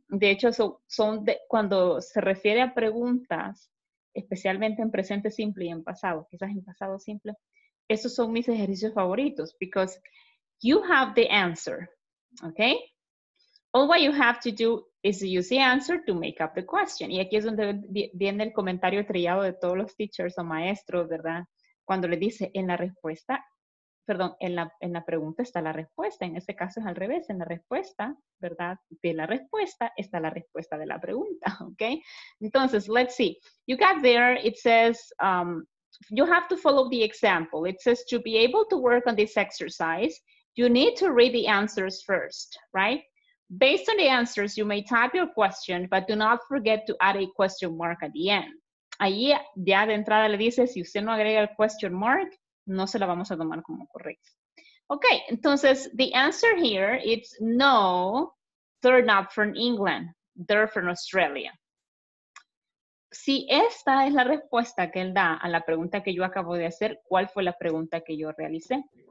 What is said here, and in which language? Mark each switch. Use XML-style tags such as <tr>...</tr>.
<es>De hecho, cuando se refiere a preguntas, especialmente en presente simple y en pasado, quizás en pasado simple, esos son mis ejercicios favoritos,</es> <en>because you have the answer, okay? All what you have to do is use the answer to make up the question.</en> <es>Y aquí es donde viene el comentario trillado de todos los teachers o maestros, ¿verdad? Cuando le dice en la respuesta, perdón, en la pregunta está la respuesta. En este caso es al revés, en la respuesta, ¿verdad? De la respuesta está la respuesta de la pregunta, okay? Entonces,</es> <en>let's see. You got there, it says, you have to follow the example. It says, to be able to work on this exercise, you need to read the answers first, right? Based on the answers, you may type your question, but do not forget to add a question mark at the end.</en> <es>Allí, ya de entrada le dice, si usted no agrega el question mark, no se la vamos a tomar como correcta.</es> <en>Okay,</en> <es>entonces,</es> <en>the answer here is no, they're not from England, they're from Australia.</en> <es>Si esta es la respuesta que él da a la pregunta que yo acabo de hacer, ¿cuál fue la pregunta que yo realicé?</es>